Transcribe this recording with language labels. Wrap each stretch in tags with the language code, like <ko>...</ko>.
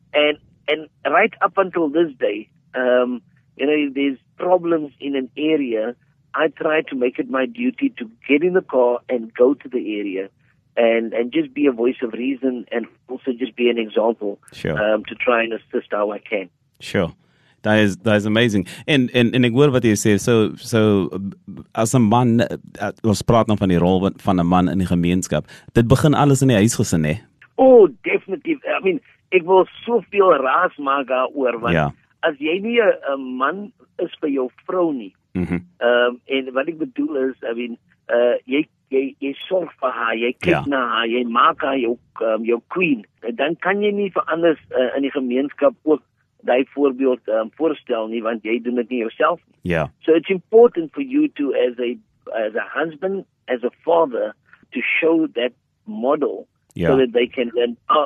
<en>And right up until this day, if there's problems in an area, I try to make it my duty to get in the car and go to the area and just be a voice of reason and also just be an example to try and assist how I can. Sure. That is amazing.</en> <af>En ek hoor wat jy sê, so as 'n man, ons praat nou van die rol van 'n man in die gemeenskap, dit begin alles in die huisgesin, hè? Oh, definitief. I mean, ek wil soveel raas maak daaroor, want as jy nie 'n man is vir jou vrou nie, en wat ek bedoel is, I mean, jy sorg vir haar, jy kyk na haar, jy maak haar jou queen, dan kan jy nie vir anders in die gemeenskap ook die voorbeeld voorstel nie, want jy doen dit nie jouself nie.</af> <en>Yeah. So it's important for you to, as a husband, as a father, to show that model so that they can learn.</en>